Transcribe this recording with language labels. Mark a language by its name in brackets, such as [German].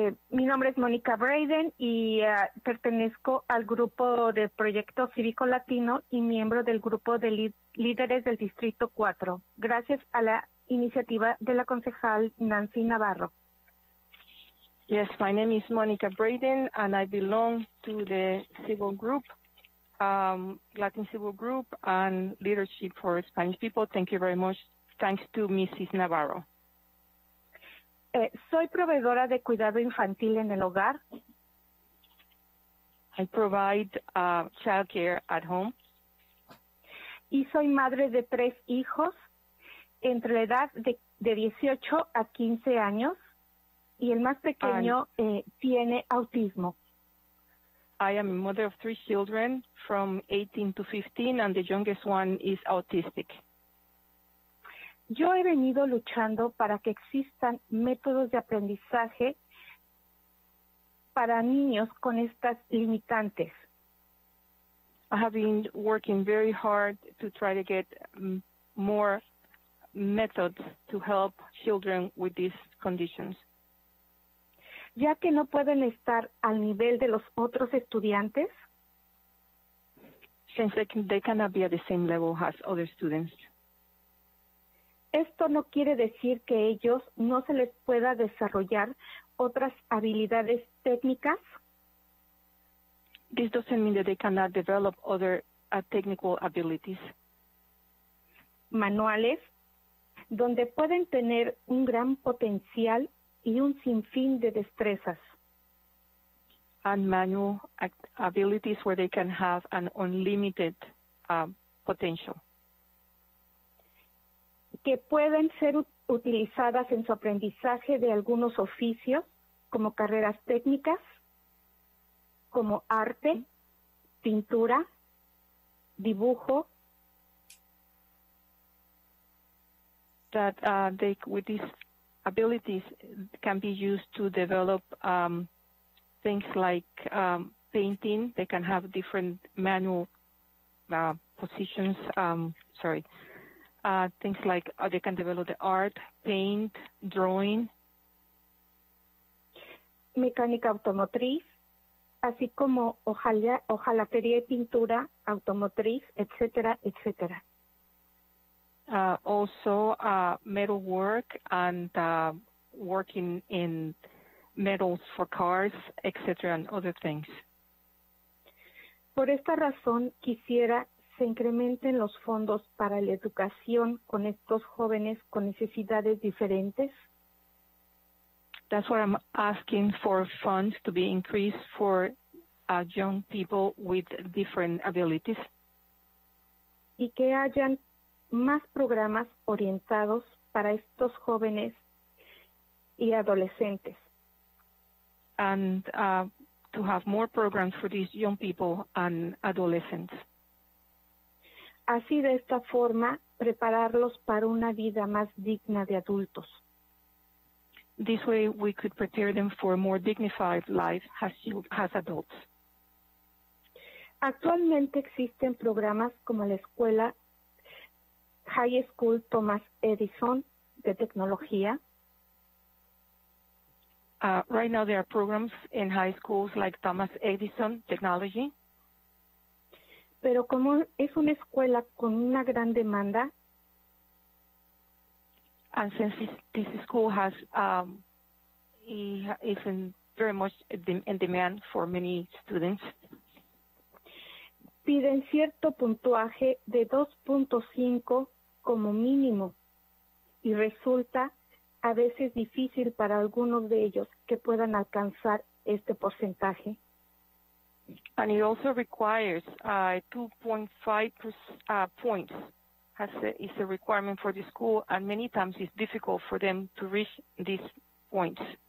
[Spanish] Mi nombre es Mónica Braden y pertenezco al grupo de Proyecto Cívico Latino y miembro del grupo de líderes del Distrito 4, gracias a la iniciativa de la concejal Nancy Navarro. [English] Yes, my name is Mónica Braden and I belong to the civil group, Latin Civil Group and Leadership for Spanish People. Thank you very much. Thanks to Mrs. Navarro. [Spanish] Soy proveedora de cuidado infantil en el hogar. [English] I provide child care at home. [Spanish] Y soy madre de tres hijos entre la edad de 18 a 15 años. Y el más pequeño tiene autismo. [English] I am a mother of three children from 18 to 15 and the youngest one is autistic. [Spanish] Yo he venido luchando para que existan métodos de aprendizaje para niños con estas limitantes. [English] I have been working very hard to try to get more methods to help children with these conditions. [Spanish] Ya que no pueden estar al nivel de los otros estudiantes. [English] Since they cannot be at the same level as other students. [Spanish] Esto no quiere decir que ellos no se les pueda desarrollar otras habilidades técnicas. [English] This doesn't mean that they cannot develop other technical abilities. [Spanish] Manuales, donde pueden tener un gran potencial y un sinfín de destrezas. [English] And manual abilities where they can have an unlimited potential. [Spanish] Que pueden ser utilizadas en su aprendizaje de algunos oficios, como carreras técnicas, como arte, pintura, dibujo. [English] That they, with these abilities, can be used to develop things like painting. They can have different manual positions, things like they can develop the art, paint, drawing. [Spanish] Mecánica automotriz, así como hojalatería y pintura, automotriz, etcétera, etcétera. [English] Also, metalwork and working in metals for cars, etcétera, and other things. [Spanish] Por esta razón, quisiera se incrementen los fondos para la educación con estos jóvenes con necesidades diferentes. [English] That's what I'm asking for, funds to be increased for young people with different abilities. [Spanish] Y que hayan más programas orientados para estos jóvenes y adolescentes. [English] And to have more programs for these young people and adolescents. [Spanish] Así de esta forma, prepararlos para una vida más digna de adultos. [English] This way we could prepare them for a more dignified life as adults. [Spanish] Actualmente existen programas como la Escuela High School Thomas Edison de Tecnología. [English] Right now there are programs in high schools like Thomas Edison Technology. [Spanish] Pero como es una escuela con una gran demanda. [English] And since this school has is in very much in demand for many students. [Spanish] Piden cierto puntuaje de 2.5 como mínimo y resulta a veces difícil para algunos de ellos que puedan alcanzar este porcentaje. [English] And it also requires 2.5 points is a requirement for the school, and many times it's difficult for them to reach these points.